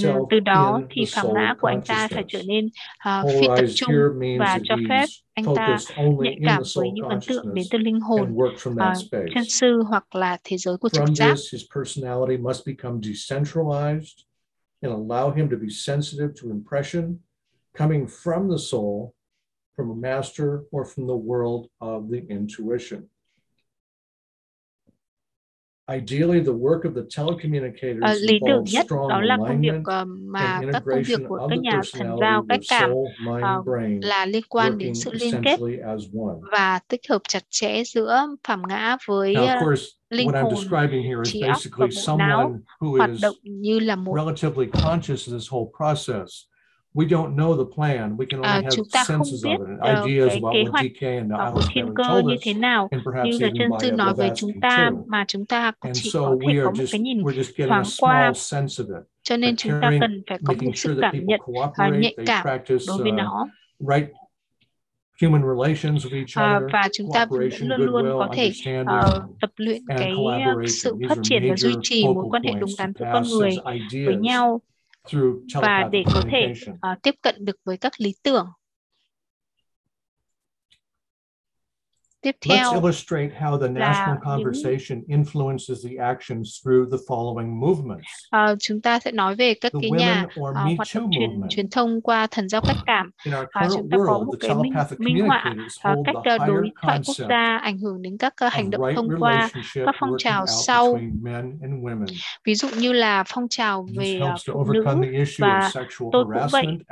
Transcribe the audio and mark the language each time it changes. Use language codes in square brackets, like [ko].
[vi] Từ đó thì phản ngã của anh ta phải trở nên phi tập trung và cho phép anh ta nhạy cảm với những ấn tượng đến từ linh hồn, chân sư hoặc là thế giới của trực giác. [en] His personality must become decentralized and allow him to be sensitive to impression coming from the soul, from a master or from the world of the intuition. Ideally, the work of the telecommunicators involves strong alignment and integration of the personality, soul, mind, brain, [vi] là liên quan đến sự liên kết và tích hợp chặt chẽ giữa phàm ngã với linh hồn, trí óc và bộ não hoạt động như là một [en] relatively conscious of this whole process. We don't know the plan. We can only have senses of it, and ideas about what DK and Alice have been told us, and perhaps even by Levesque too. And so we're just getting a small sense of it. [vi] Cho nên chúng ta cần phải có một sự cảm nhận nhạy cảm đối với nó. [en] Right human relations with each other, [vi] và chúng ta vẫn luôn luôn có thể tập luyện cái sự phát triển và duy trì mối quan hệ đúng đắn giữa con người với nhau. Và để có thể tiếp cận được với các lý tưởng. Tiếp theo, [en] let's illustrate how the national conversation influences the actions through the following movements. [vi] Chúng ta sẽ nói về các cái nhà hoạt động truyền thông qua thần giao cách cảm. Chúng ta có một cái minh họa cách đối thoại quốc gia ảnh hưởng đến các hành động thông qua các phong trào sau. Ví dụ như là phong trào về nữ và tôi cũng vậy.